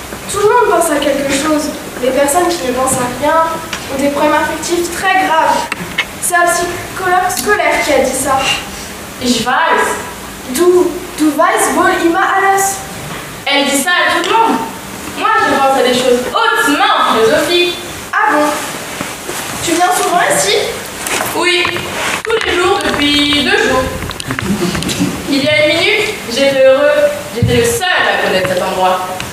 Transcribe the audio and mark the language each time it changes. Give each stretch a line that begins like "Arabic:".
French: Tout le monde pense à quelque chose. Des personnes qui ne pensent à rien ou des problèmes affectifs très graves. C'est un psychologue scolaire qui a dit ça.
German: Ich weiß. Du weißt wohl immer alles.
French: Elle dit ça à tout le monde. Moi, je pense à des choses hautement philosophiques. Ah bon? Tu viens souvent ici? Oui, tous les jours depuis 2 jours. Il y a une minute, j'étais heureux. J'étais le seul à connaître cet endroit.